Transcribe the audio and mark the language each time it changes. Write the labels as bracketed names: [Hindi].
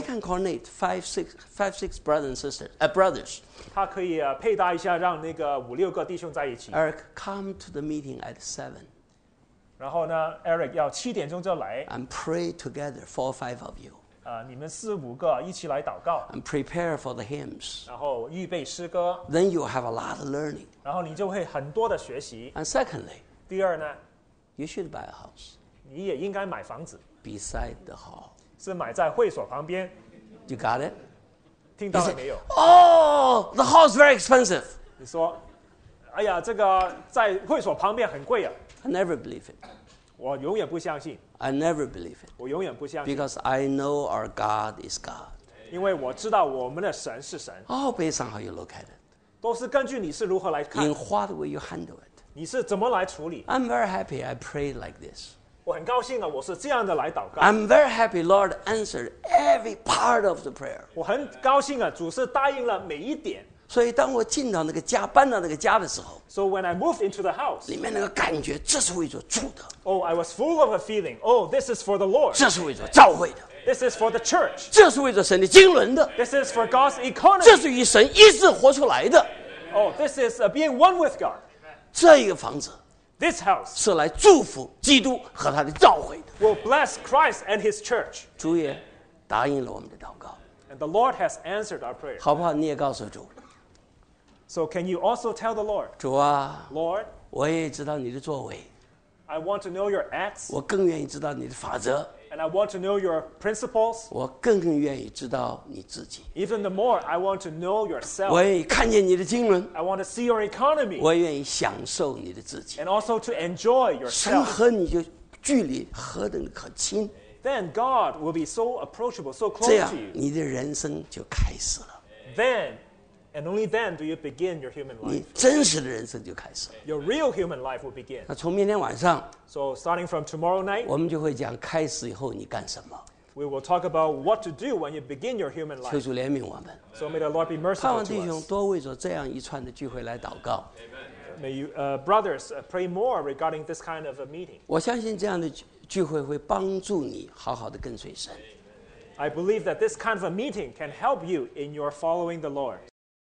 [English] He can coordinate five six brothers and sisters, brothers. [Chinese] 他可以配搭一下，让那个五六个弟兄在一起。 [English] Eric, come to the meeting at 7. [Chinese] 然后呢 ，Eric 要七点钟就来。 [English] And pray together, four or five of you. [Chinese] 你们四五个一起来祷告。 [English] And prepare for the hymns. [Chinese] 然后预备诗歌。 [English] Then you have a lot of learning. [Chinese] 然后你就会很多的学习。 [English] And secondly, [Chinese] 第二呢 [English] ，you should buy a house. [Chinese] 你也应该买房子。 [English] Beside the hall, [Chinese] 是买在会所旁边。 [English] You got it? [Chinese] 听到了没有 [English] ？Oh, the hall is very expensive. [Chinese] 你说，哎呀，这个在会所旁边很贵啊。 [English] I never believe it. [Chinese] 我永远不相信。 [English] I never believe it. [Chinese] 我永远不相信。 [English] Because I know our God is God. [Chinese] 因为我知道我们的神是神。 [English] Oh, based on how you look at it. [Chinese] 都是根据你是如何来看。 [English] In what way you handle it? [Chinese] 你是怎么来处理 [English] ？I'm very happy. I pray like this. [Chinese] 我很高兴啊，我是这样的来祷告。 [English] I'm very happy, Lord answered every part of the prayer. [Chinese] 我很高兴啊，主是答应了每一点。所以当我进到那个家，搬到那个家的时候 [English] ，So when I moved into the house, [Chinese] 里面那个感觉，这是为主住的。 [English] Oh, I was full of a feeling. Oh, this is for the Lord. [Chinese] 这是为主教会的。 [English] This is for the church. [Chinese] 这是为主神的经纶的。 [English] This is for God's economy. [Chinese] 这是与神一致活出来的。 [English] Oh, this is being one with God. [Chinese] 这一个房子。 [English] This house [Chinese] 是来祝福基督和他的教会的。 [English] Will bless Christ and His church. [Chinese] 主也答应了我们的祷告。 [English] And the Lord has answered our prayer. [Chinese] 好不好？你也告诉主。 [English] So can you also tell the Lord? [Chinese] 主啊 [English] ，Lord， [Chinese] 我也知道你的作为。 [English] I want to know your acts. [Chinese] 我更愿意知道你的法则。 [English] And I want to know your principles. [Chinese] 我更愿意知道你自己。 [English] Even the more, I want to know yourself. [Chinese] 我愿意看见你的经纶。 [English] I want to see your economy. [Chinese] 我愿意享受你的自己。 [English] And also to enjoy yourself. [Chinese] 神和你就距离何等可亲。 [English] Then God will be so approachable, so close to you. [Chinese] 这样你的人生就开始了。 [English] Then, and only then do you begin your human life. [Chinese] 你真实的人生就开始了。 [English] Your real human life will begin. [Chinese] 那从明天晚上。 [English] So starting from tomorrow night, [Chinese] 我们就会讲开始以后你干什么。 [English] We will talk about what to do when you begin your human life. [Chinese] 求主怜悯我们。 [English] So may the Lord be merciful to us. [Chinese] 盼望弟兄多为着这样一串的聚会来祷告。 [English] Amen. May you, brothers, pray more regarding this kind of a meeting. [Chinese] 我相信这样的聚会会帮助你好好的跟随神。 [English] I believe that this kind of a meeting can help you in your following the Lord.